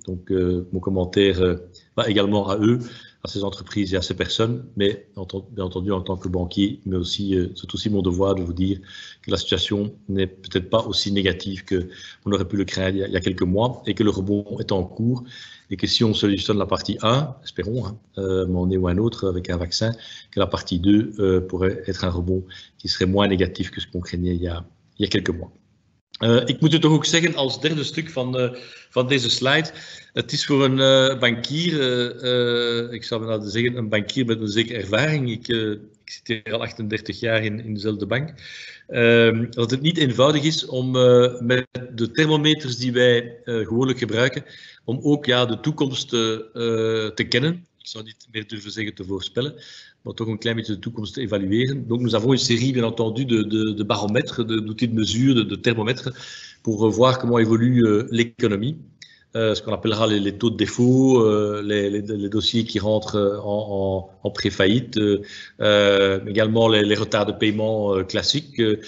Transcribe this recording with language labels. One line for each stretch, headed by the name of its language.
French: Donc, mon commentaire va également à eux, à ces entreprises et à ces personnes, mais bien entendu en tant que banquier, mais aussi, c'est aussi mon devoir de vous dire que la situation n'est peut-être pas aussi négative qu'on aurait pu le craindre il y a quelques mois et que le rebond est en cours et que si on solutionne la partie 1, espérons, mais on est ou un autre avec un vaccin, que la partie 2 pourrait être un rebond qui serait moins négatif que ce qu'on craignait il y a quelques mois.
Dutch: Ik moet het toch ook zeggen als derde stuk van deze slide. Het is voor een bankier, ik zou willen zeggen een bankier met een zekere ervaring. Ik zit hier al 38 jaar in dezelfde bank. Dat het niet eenvoudig is om met de thermometers die wij gewoonlijk gebruiken, om ook ja, de toekomst te kennen. Ik zou niet meer durven zeggen te voorspellen, maar toch een klein beetje de toekomst te evalueren.
French: Donc, nous avons une série, bien entendu, de baromètres, d'outils de mesure, de thermomètres, pour voir comment évolue l'économie, ce qu'on appellera les taux de défaut, les dossiers qui rentrent en pré-faillite, également les retards de paiement classiques.